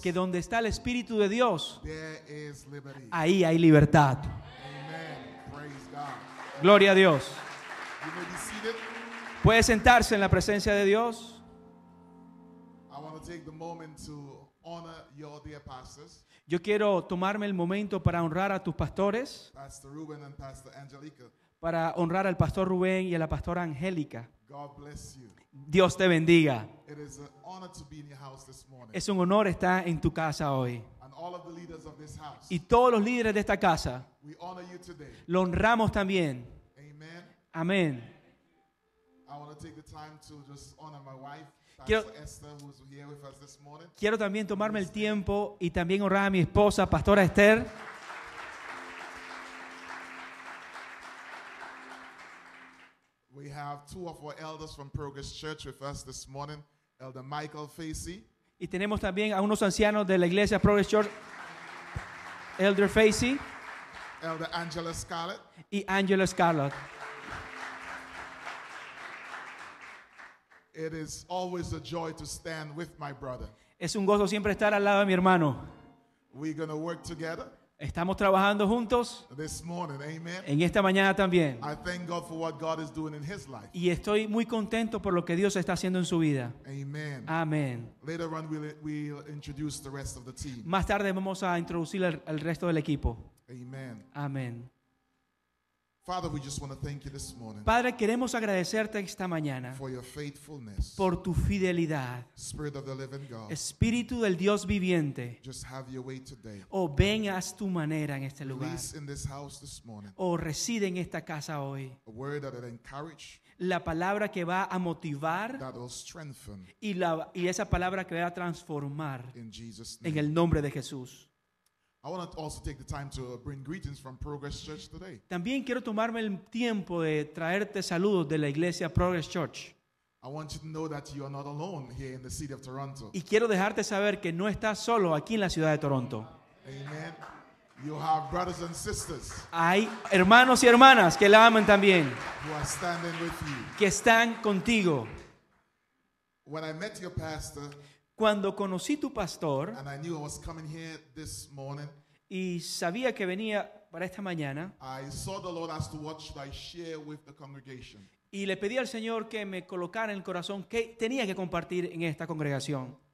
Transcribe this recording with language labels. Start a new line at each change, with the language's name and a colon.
Spanish: Que donde está el espíritu de Dios.
English: There is liberty.
Spanish: Ahí hay libertad.
English: Amen. Praise God.
Spanish: Gloria a Dios.
English: You may be seated.
Spanish: Puede sentarse en la presencia de Dios.
English: I want to take the moment to honor your dear pastors.
Spanish: Yo quiero tomarme el momento para honrar a tus pastores.
English: Pastor Ruben and Pastor Angelica.
Spanish: Para honrar al pastor Rubén y a la pastora Angélica.
English: God bless you.
Spanish: Dios te bendiga.
English: It is an honor to be in your house this morning.
Spanish: Es un honor estar en tu casa hoy.
English: And all of the leaders of this house.
Spanish: Y todos los líderes de esta casa.
English: We honor you today.
Spanish: Lo honramos también.
English: Amen.
Spanish: Amén.
English: I want to take the time to just honor my wife, Pastor Esther, who's here with us this morning.
Spanish: Quiero también tomarme el tiempo y también honrar a mi esposa, Pastora Esther.
English: We have two of our elders from Progress Church with us this morning, Elder Michael Facy.
Spanish: Y tenemos también a unos ancianos de la iglesia Progress Church, Elder Facy.
English: Elder Angela Scarlett.
Spanish: Y Angela Scarlett.
English: It is always a joy to stand with my brother.
Spanish: Es un gozo siempre estar al lado de mi hermano.
English: We're going to work together.
Spanish: Estamos trabajando juntos.
English: This morning, amen.
Spanish: En esta mañana también.
English: I thank God for what God is doing in his life.
Spanish: Y estoy muy contento por lo que Dios está haciendo en su vida.
English: Amen.
Spanish: Amen.
English: Later on we'll introduce the rest of the team.
Spanish: Más tarde vamos a introducir al resto del equipo.
English: Amen.
Spanish: Amen.
English: Father, we just want to thank you this morning.
Spanish: Padre, queremos agradecerte esta mañana.
English: For your faithfulness.
Spanish: Por tu fidelidad.
English: Spirit of the living God.
Spanish: Espíritu del Dios viviente.
English: Just have your way today.
Spanish: Oh, ven, haz tu manera en este lugar.
English: Release in this house this morning.
Spanish: Oh, reside en esta casa hoy.
English: A word that will encourage.
Spanish: La palabra que va a motivar.
English: That will strengthen.
Spanish: Y esa palabra que va a transformar.
English: In Jesus' name.
Spanish: En el nombre de Jesús.
English: I want to also take the time to bring greetings from Progress Church today.
Spanish: También quiero tomarme el tiempo de traerte saludos de la iglesia Progress Church.
English: I want you to know that you are not alone here in the city of Toronto.
Spanish: Y quiero dejarte saber que no estás solo aquí en la ciudad de Toronto.
English: Amen. You have brothers and sisters.
Spanish: Hay hermanos y hermanas que la aman también.
English: Who are standing with you.
Spanish: Que están contigo.
English: When I met your pastor.
Spanish: Cuando conocí tu pastor,
English: and I knew I was coming here this morning,
Spanish: y sabía que venía para esta mañana,
English: I saw the Lord ask to what should I share with the congregation.
Spanish: Y le pedí al Señor que me colocara en el corazón qué tenía que compartir en esta congregación.